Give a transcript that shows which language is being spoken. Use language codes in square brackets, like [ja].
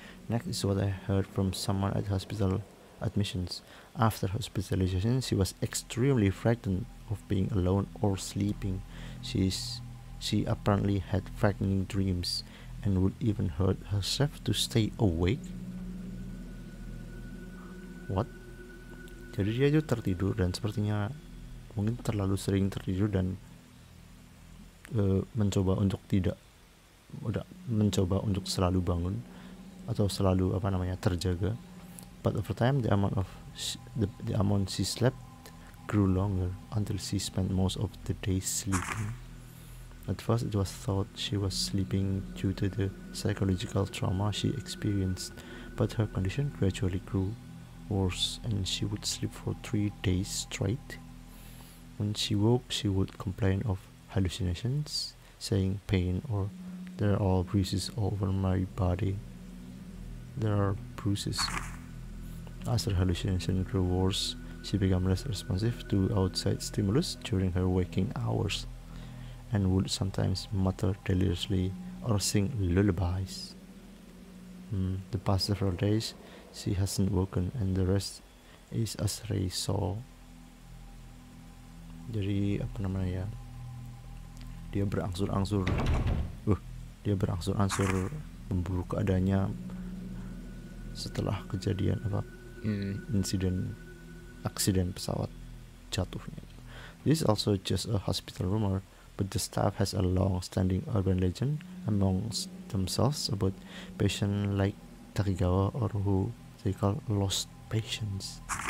[en] Next is what I heard from someone at hospital admissions. After hospitalization, she was extremely frightened of being alone or sleeping. She apparently had frightening dreams and would even hurt herself to stay awake. What? [id] Jadi dia itu tertidur dan sepertinya mungkin terlalu sering tertidur dan mencoba untuk selalu bangun atau selalu apa namanya terjaga. [en] But over time, the amount she slept grew longer until she spent most of the day sleeping. At first, it was thought she was sleeping due to the psychological trauma she experienced, but her condition gradually grew worse, and she would sleep for 3 days straight. When she woke, she would complain of hallucinations, saying pain or there are all bruises all over my body. There are bruises. As her hallucination grew worse, she became less responsive to outside stimulus during her waking hours and would sometimes mutter deliriously or sing lullabies. The past several days, she hasn't woken, and the rest is as Ray saw. [id] Jadi apa namanya ya, dia berangsur-angsur memburuk keadaannya setelah kejadian apa insiden pesawat jatuhnya. [en] This is also just a hospital rumor, but the staff has a long-standing urban legend amongst themselves about patient like Takigawa, or who they call lost patients.